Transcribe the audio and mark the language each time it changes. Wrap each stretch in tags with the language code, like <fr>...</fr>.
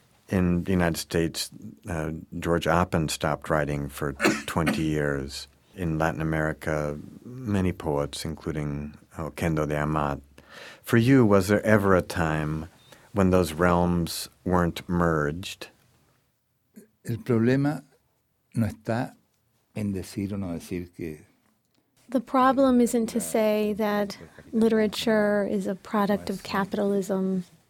<en>In the United States, George Oppen stopped writing for 20 years. In Latin America, many poets, including Oquendo de Amat. For you, was there ever a time when those realms weren't merged?</en> <es>El problema no está en decir o no decir que...</es> <en>The problem isn't to say that literature is a product of capitalism.</en>